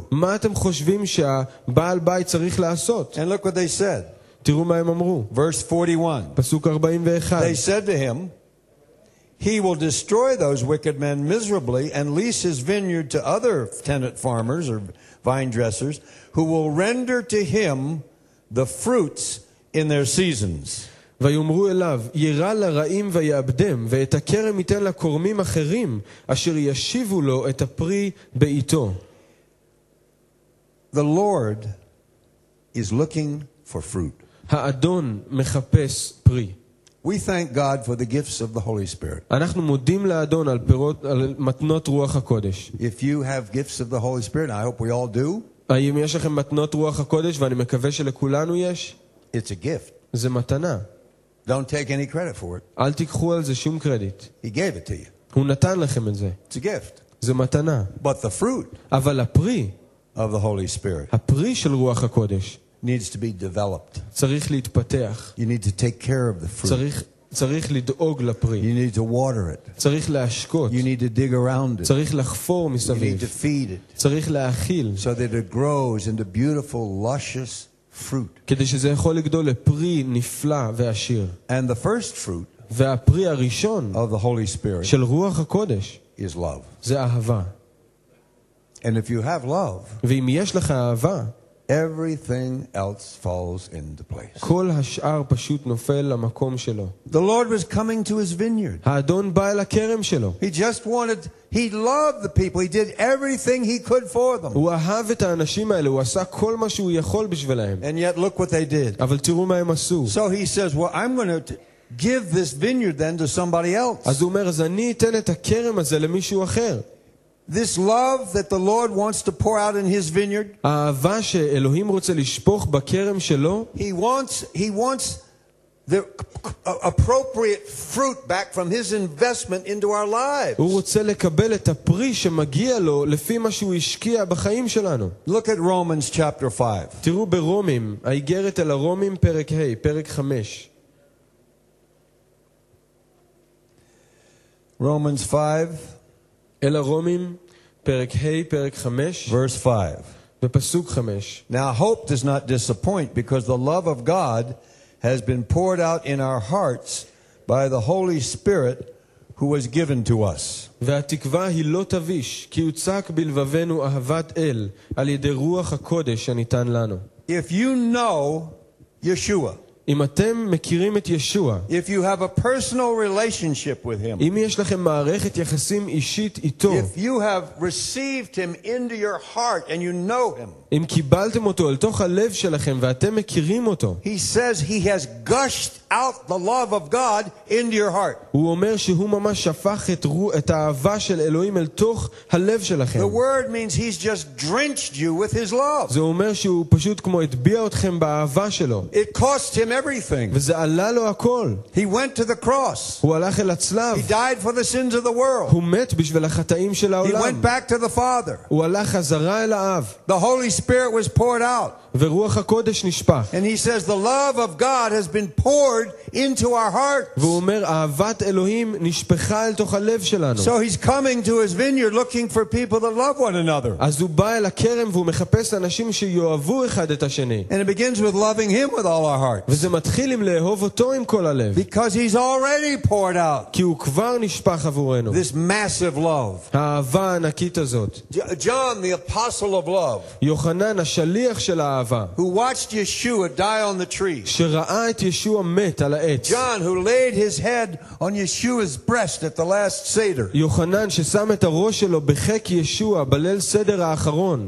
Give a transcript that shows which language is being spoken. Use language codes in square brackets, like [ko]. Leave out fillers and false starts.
[en] And look what they said. Verse 41. They said to him, he will destroy those wicked men miserably and lease his vineyard to other tenant farmers or vine dressers who will render to him the fruits in their seasons. [he] ויאמרו אליו, ירא לרעים ויאבדם, ואת הכרם ייתן לקורמים אחרים, אשר ישיבו לו את הפרי בעיתו. [en] The Lord is looking for fruit. [he] האדון מחפש פרי. [en] We thank God for the gifts of the Holy Spirit. [he] אנחנו מודים לאדון על פירות, על מתנות רוח הקודש. [en] If you have gifts of the Holy Spirit, I hope we all do. [he] האם יש לכם מתנות רוח הקודש, ואני מקווה שלכולנו יש? [en] It's a gift. [he] זה מתנה. [en] Don't take any credit for it. [he] אל תיקחו על זה שום קרדיט. [en] He gave it to you. [he] הוא נתן לכם את זה. [en] It's a gift. [he] זה מתנה. [en] But the fruit. [he] אבל הפרי. [en] Of the Holy Spirit. [he] הפרי של רוח הקודש. [en] Needs to be developed. [he] צריך להתפתח. [en] You need to take care of the fruit. [he] צריך לדאוג לפרי. [en] You need to water it. [he] צריך להשקות. [en] You need to dig around it. [he] צריך לחפור מסביב. [en] You need to feed it. [he] צריך להאכיל. [en] So that it grows into beautiful, luscious fruit. [he] כדי שזה יכול לגדול לפרי נפלא ועשיר. [en] And the first fruit. [he] והפרי הראשון. [en] Of the Holy Spirit. [he] של רוח הקודש. [en] Is love. [he] זה אהבה. [en] And if you have love. [he] ואם יש לך אהבה. [en] Everything else falls into place. [he] כל השאר פשוט נופל למקום שלו. [en] The Lord was coming to his vineyard. [he] האדון בא אל הכרם שלו. [en] He loved the people. He did everything he could for them. [he] הוא אהב את האנשים האלה. הוא עשה כל מה שהוא יכול בשבילהם. [en] And yet look what they did. [he] אבל תראו מה הם עשו. [en] So he says, well, I'm going to give this vineyard then to somebody else. [he] אז הוא אומר, אז אני אתן את הכרם הזה למישהו אחר. [en] This love that the Lord wants to pour out in his vineyard. [he] האהבה שאלוהים רוצה לשפוך בכרם שלו. [en] He wants the appropriate fruit back from his investment into our lives. [he] הוא רוצה לקבל את הפרי שמגיע לו לפי מה שהוא השקיע בחיים שלנו. [en] Look at Romans chapter 5. [he] תראו ברומים, האיגרת אל הרומים פרק ה', פרק 5. [en] Romans 5. [he] אל הרומים, פרק ה', פרק 5, [en] verse 5. [he] בפסוק 5. [en] Now hope does not disappoint because the love of God has been poured out in our hearts by the Holy Spirit who was given to us. [he] והתקווה היא לא תביש, כי הוצק בלבבנו אהבת אל על ידי רוח הקודש שניתן לנו. [en] If you know Yeshua, [he] אם אתם מכירים את ישוע, [en] if you have a personal relationship with him, [he] אם יש לכם מערכת יחסים אישית איתו, [en] if you have received him into your heart and you know him, [he] אם קיבלתם אותו אל תוך הלב שלכם ואתם מכירים אותו, [en] he says he has gushed out the love of God into your heart. [he] הוא אומר שהוא ממש שפך את האהבה של אלוהים אל תוך הלב שלכם. [en] The word means he's just drenched you with his love. [he] זה אומר שהוא פשוט כמו הטביע אתכם באהבה שלו. [en] It cost him everything. [he] וזה עלה לו הכל. [en] He went to the cross. [he] הוא הלך אל הצלב. [en] He died for the sins of the world. [he] הוא מת בשביל החטאים של העולם. [en] He went back to the Father. [he] הוא הלך חזרה אל האב. [en] The Holy Spirit was poured out. [he] ורוח הקודש נשפך. [en] And he says the love of God has been poured into our hearts. [he] והוא אומר אהבת אלוהים נשפכה אל תוך הלב שלנו. [en] So he's coming to his vineyard looking for people that love one another. [he] אז הוא בא אל הכרם והוא מחפש אנשים שיאהבו אחד את השני. [en] And it begins with loving him with all our hearts. [he] וזה מתחיל עם לאהוב אותו עם כל הלב. [en] Because he's already poured out. [he] כי הוא כבר נשפך עבורנו. [en] This massive love. [he] האהבה הענקית הזאת. [en] John the apostle of love. [he] יוחנן השליח של האהבה. [en] Who watched Yeshua die on the tree. [he] שראה את ישוע מת על העץ. [en] John who laid his head on Yeshua's breast at the last Seder. [he] יוחנן ששם את הראש שלו בחיק ישוע בליל סדר האחרון.